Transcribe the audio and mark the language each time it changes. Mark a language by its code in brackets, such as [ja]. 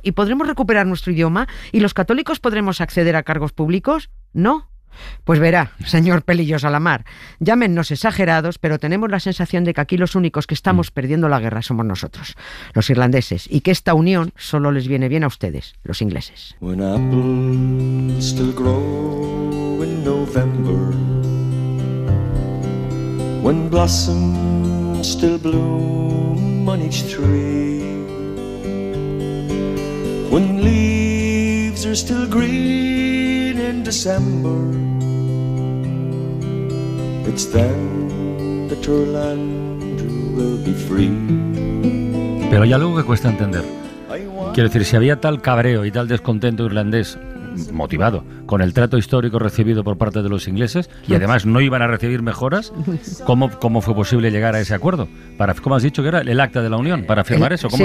[es] ¿Y podremos recuperar nuestro idioma? ¿Y los católicos podremos acceder a cargos públicos? ¿No? Pues verá, señor pelillos a la mar, llámennos exagerados, pero tenemos la sensación de que aquí los únicos que estamos perdiendo la guerra somos nosotros, los irlandeses, y que esta unión solo les viene bien a ustedes, los ingleses. [en] When apples still grow in November, when blossoms still bloom on each tree, when leaves are still green in December, it's then that your land will be free. [es] Pero hay algo que cuesta entender. Quiero decir, si había tal cabreo y tal descontento irlandés motivado con el trato histórico recibido por parte de los ingleses y además no iban a recibir mejoras, ¿cómo fue posible llegar a ese acuerdo? Para, ¿cómo has dicho que era? ¿El acta de la unión? ¿Para firmar eso? ¿Cómo